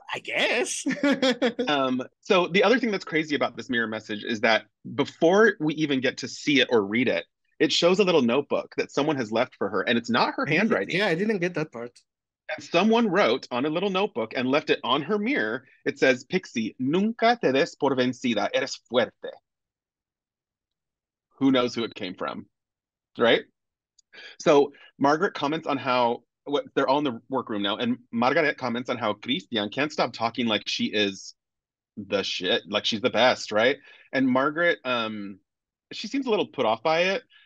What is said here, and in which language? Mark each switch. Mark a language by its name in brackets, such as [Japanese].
[English] I guess. So the other thing that's crazy about this mirror message is that before we even get to see it or read it, it shows a little notebook that someone has left for her, and it's not her handwriting. Yeah, I didn't get that part. And someone wrote on a little notebook and left it on her mirror. It says, [Spanish] Pixie, nunca te des por vencida, eres fuerte. [English] Who knows who it came from, right? So Margaret comments on how they're all in the workroom now. And Margaret comments on how Christian can't stop talking like she is the shit, like she's the best, right? And Margaret, she seems a little put off by it.